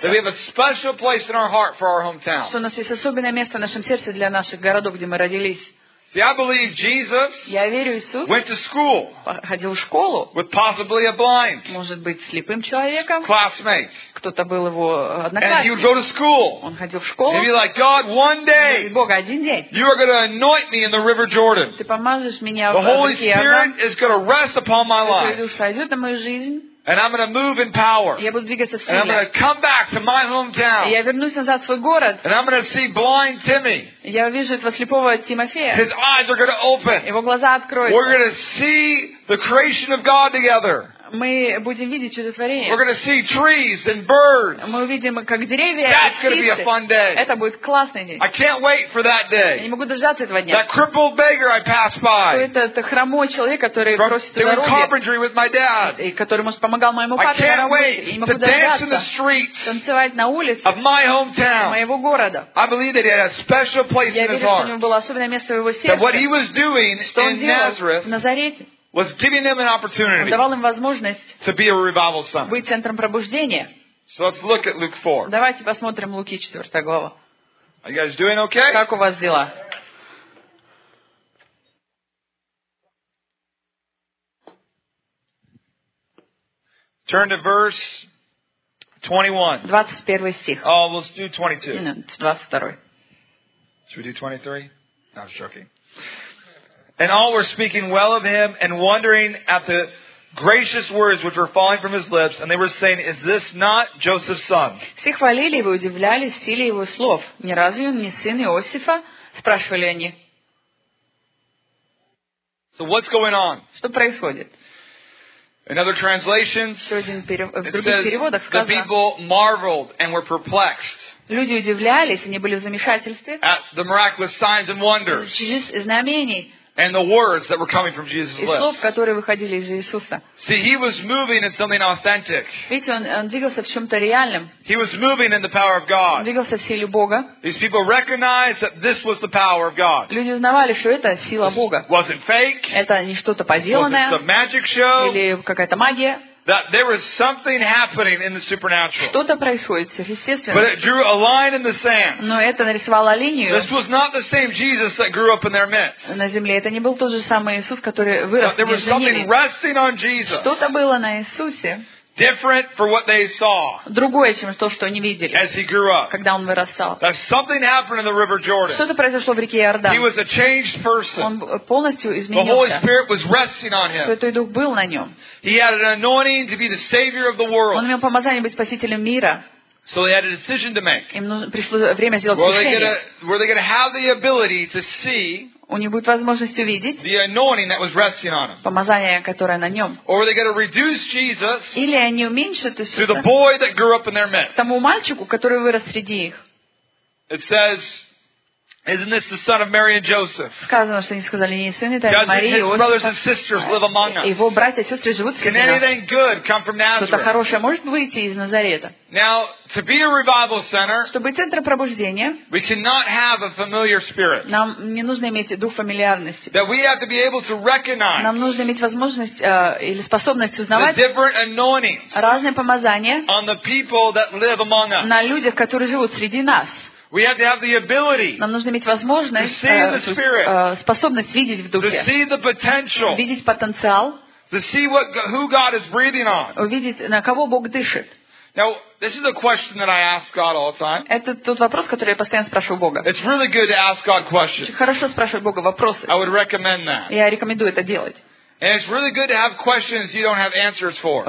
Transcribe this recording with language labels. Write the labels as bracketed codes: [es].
[en] That we have a special place in our heart for our hometown. [ru] Что у нас есть особенное место в нашем сердце для наших городов, где мы родились. [en] See, I believe Jesus went to school with possibly a blind classmate. [ru] Кто-то был его одноклассник. Он ходил в школу. [en] Like, God, one day, [ru] Бог, один день. [en] You are going to anoint me in the River Jordan. [ru] Ты помажешь меня в реке Иордан. [en] The Holy Spirit is going to rest upon my life. [ru] Сойдет на мою жизнь. [en] And I'm going to move in power. [ru] Я буду двигаться в силе. [en] And I'm going to come back to my hometown. [ru] Я вернусь назад в свой город. [en] And I'm going to see blind Timmy. [ru] Я увижу этого слепого Тимофея. [en] His eyes are going to open. [ru] Его глаза откроются. [en] We're going to see the creation of God together. [ru] Мы будем видеть чудотворение. [en] We're going to see trees and birds. [ru] Мы увидим, как деревья [en] That's [ru] и птицы. [en] Going to be a fun day. [ru] Это будет классный день. [en] I can't wait for that day. [ru] Я не могу дождаться этого дня. [en] That crippled beggar I passed by. [ru] Этот хромой человек, который просит дороги. [en] Doing carpentry with my dad. [ru] И который, может, помогал моему папе. [en] I can't wait to dance in the streets. [ru] Танцевать на улице. [en] Of my hometown. [ru] Моего города. [en] I believe that he had a special place [ru] Я [en] in his heart. [ru] У него было особенное место в его сердце. [en] That what he was doing in Nazareth. [ru] В Назарете. [en] Was giving them an opportunity to be a revival center. So let's look at Luke 4. [ru] Давайте посмотрим Луки 4 глава. [en] Are you guys doing okay? [ru] Как у вас дела? [en] Turn to verse [ru] 21 стих. [en] Oh, let's do 22. No, 22. Should we do 23? No, I'm joking. And all were speaking well of him and wondering at the gracious words which were falling from his lips, and they were saying, "Is this not Joseph's son?" [ru] Все хвалили его и удивлялись силе его слов. Не разве он не сын Иосифа? Спрашивали они. [en] So what's going on? [ru] Что происходит? [en] In other translations, it says, the people marveled and were perplexed. [ru] Люди удивлялись, они были в замешательстве. [en] At the miraculous signs and wonders. [ru] Знамений. [en] And the words that were coming from Jesus' lips. [ru] Слов, которые выходили из Иисуса. [en] See, he was moving in something authentic. [ru] Видите, он двигался в чем-то реальном. [en] He was moving in the power of God. [ru] Он двигался в силе Бога. [en] These people recognized that this was the power of God. [ru] Люди узнавали, что это сила Бога. [en] This wasn't fake. [ru] Это не что-то поделанное. [en] Wasn't some magic show. [ru] Или какая-то магия. [en] That there was something happening in the supernatural. [ru] Что-то происходит, естественно. [en] But it drew a line in the sand. [ru] Но это нарисовало линию. [en] This was not the same Jesus that grew up in their midst. [ru] На земле это не был тот же самый Иисус, который вырос между ними. [en] There was something resting on Jesus. [ru] Что-то было на Иисусе. [en] Different for what they saw. [ru] Другое, чем то, что они видели. [en] As he grew up. [ru] Когда он вырастал. [en] That something happened in the River Jordan. [ru] Что-то произошло в реке Иордан. [en] He was a changed person. [ru] Он полностью изменился. [en] The Holy Spirit was resting on him. [ru] Святой Дух был на нем. [en] He had an anointing to be the savior of the world. [ru] Он имел помазание быть спасителем мира. [en] So they had a decision to make. [ru] Им пришло время сделать решение. [en] Were they going to have the ability to see? [ru] У них будет возможность увидеть помазание, которое на нем. Или они уменьшат Иисуса к тому мальчику, который вырос среди их. [en] Isn't this the son of Mary and Joseph? [ru] Сказано, что они сказали, не сын это Мария и [en] Иосиф. Brothers and sisters live among us. [ru] Его братья и сестры живут среди нас. [en] Can anything good come from Nazareth? [ru] Что-то хорошее может выйти из Назарета. [en] Now, to be a revival center, [ru] чтобы центр пробуждения, [en] we cannot have a familiar spirit. [ru] Нам не нужно иметь дух фамильярности. [en] That we have to be able to recognize. [ru] Нам нужно иметь возможность или способность узнавать [en] the different anointings [ru] разные помазания [en] on the people that live among us. [ru] На людях, которые живут среди нас. [en] We have to have the ability [ru] нам нужно иметь возможность [en] to see the spirit, [ru] способность видеть в Духе, [en] to see the potential, [ru] видеть потенциал, [en] to see what, who God is breathing on. [ru] Увидеть, на кого Бог дышит. [en] Now, this is a question that I ask God all the time. [ru] Это тот вопрос, который я постоянно спрашиваю Бога. [en] It's really good to ask God questions. [ru] Хорошо спрашивать Бога вопросы. [en] I would recommend that. [ru] Я рекомендую это делать. [en] And it's really good to have questions you don't have answers for.